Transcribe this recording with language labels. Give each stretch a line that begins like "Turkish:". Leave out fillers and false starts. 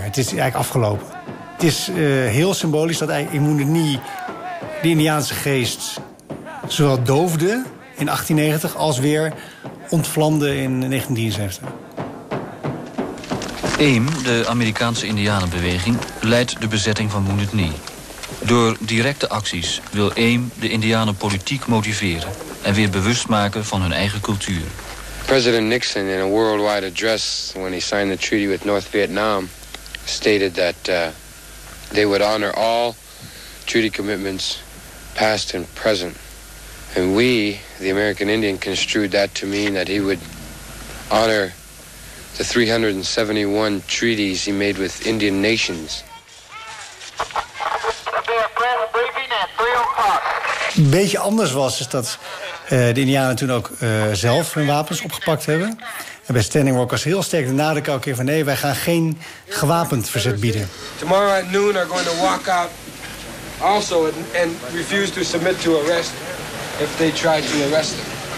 Dutch: Het is eigenlijk afgelopen. Het is heel symbolisch dat in Moendeni de Indiaanse geest zowel doofde in 1890 als weer ontvlamde in 1973. AIM, de Amerikaanse Indianenbeweging, leidt de bezetting van Wounded Knee. Door directe acties wil AIM de Indianen politiek motiveren en weer bewust maken van hun eigen cultuur.
English: President Nixon, in a worldwide address when he signed the treaty with North Vietnam, stated that they would honor all treaty commitments, past and present. And we, the American Indian, construed that to mean that he would honor the 371 treaties he made with Indian nations.
Dutch: Een beetje anders was, is dat de Indianen toen ook zelf hun wapens opgepakt hebben. En bij Standing Rock was heel sterk de nadruk elke keer van nee, wij gaan geen gewapend verzet bieden.
English: Tomorrow at noon are going to walk out also and refuse to submit to arrest if they try to arrest them.